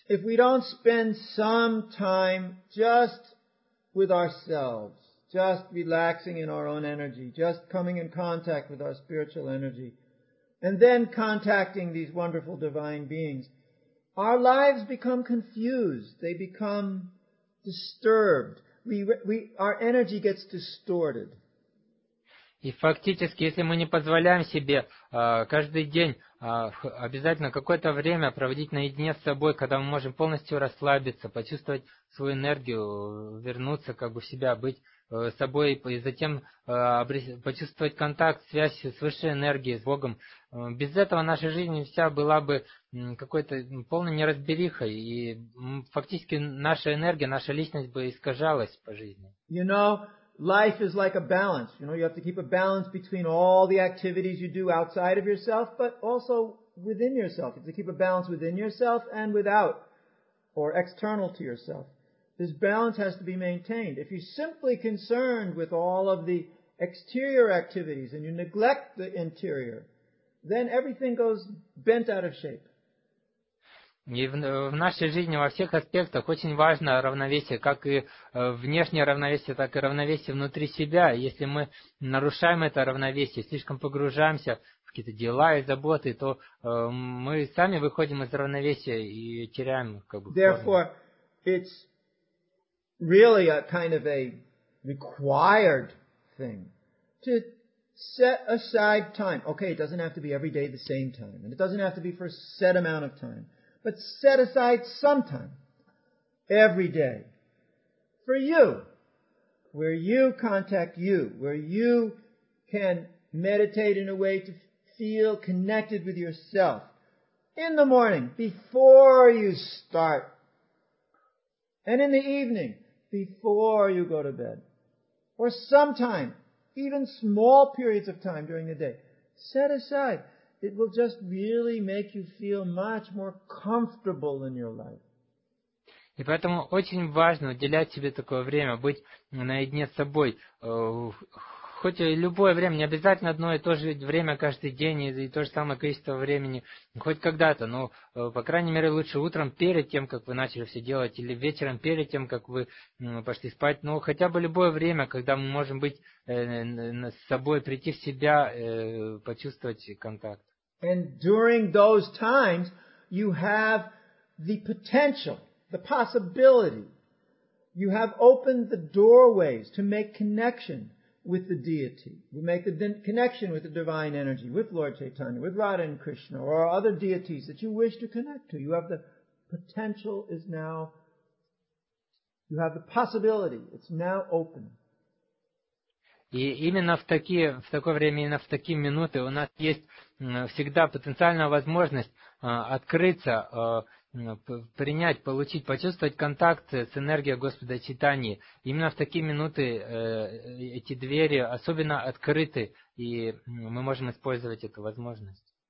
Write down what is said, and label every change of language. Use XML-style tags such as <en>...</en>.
<en>If we don't spend some time just with ourselves, just relaxing in our own energy, just coming in contact with our spiritual energy, and then contacting these wonderful divine beings, our lives become confused. They become disturbed. Our energy gets distorted.</en> <ru>И фактически, если мы не позволяем себе каждый день обязательно какое-то время проводить наедине с собой, когда мы можем полностью расслабиться, почувствовать свою энергию, вернуться как бы в себя, быть собой и затем почувствовать контакт, связь с высшей энергией, с Богом. Без этого наша жизнь вся была бы какой-то полной неразберихой, и фактически наша энергия, наша личность бы искажалась по жизни.</ru> <en>You know, life is like a balance. You know, you have to keep a balance between all the activities you do outside of yourself, but also within yourself. You have to keep a balance within yourself and without, or external to yourself. This balance has to be maintained. If you're simply concerned with all of the exterior activities and you neglect the interior, then everything goes bent out of shape.</en> <ru>И в нашей жизни во всех аспектах очень важно равновесие, как и внешнее равновесие, так и равновесие внутри себя. Если мы нарушаем это равновесие, слишком погружаемся в какие-то дела и заботы, то мы сами выходим из равновесия и теряем как бы.</ru> <en>Therefore, it's really a kind of a required thing to set aside time. Okay, it doesn't have to be every day the same time, and it doesn't have to be for a set amount of time. But set aside some time, every day, for you, where you contact you, where you can meditate in a way to feel connected with yourself, in the morning, before you start, and in the evening, before you go to bed, or sometime, even small periods of time during the day, set aside. It will just really make you feel much more comfortable in your life.</en> <ru>И поэтому очень важно уделять себе такое время, быть наедине с собой, хоть и любое время, не обязательно одно и то же время каждый день и то же самое количество времени, хоть когда-то, но, по крайней мере, лучше утром перед тем, как вы начали все делать, или вечером перед тем, как вы пошли спать, но хотя бы любое время, когда мы можем быть с собой, прийти в себя, почувствовать контакт.</ru> <en>And during those times, you have the potential, the possibility. You have opened the doorways to make connection with the deity. You make the connection with the divine energy, with Lord Chaitanya, with Radha and Krishna, or other deities that you wish to connect to. You have the potential is now, you have the possibility, it's now open.</en> <ru>И именно в такое время, именно в такие минуты у нас есть всегда потенциальная возможность открыться, принять, получить, почувствовать контакт с энергией Господа Чайтаньи. Именно в такие минуты эти двери особенно открыты, и мы можем использовать эту возможность.</ru>